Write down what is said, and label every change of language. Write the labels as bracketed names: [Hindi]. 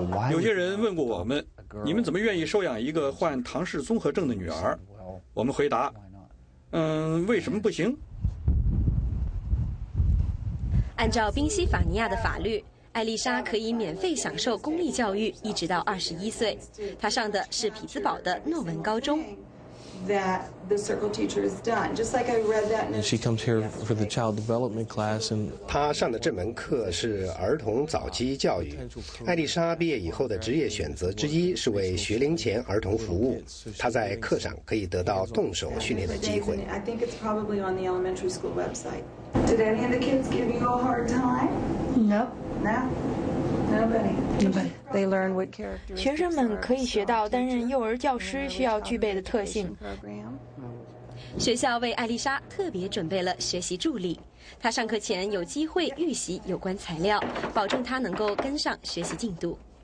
[Chinese] 有些人问过我们，你们怎么愿意收养一个患唐氏综合症的女儿？我们回答，为什么不行？按照宾夕法尼亚的法律，艾丽莎可以免费享受公立教育，一直到21岁。她上的是匹兹堡的诺文高中。 [English] She comes here for the child development class. And [Chinese] 她上的这门课是儿童早期教育。艾丽莎毕业以后的职业选择之一是为学龄前儿童服务。她在课上可以得到动手训练的机会。 [English] I think it's probably on the elementary school website. Did any of the kids give you a hard time? Nope. No. [Chinese] 学生们可以学到担任幼儿教师需要具备的特性。学校为艾丽莎特别准备了学习助理，她上课前有机会预习有关材料，保证她能够跟上学习进度。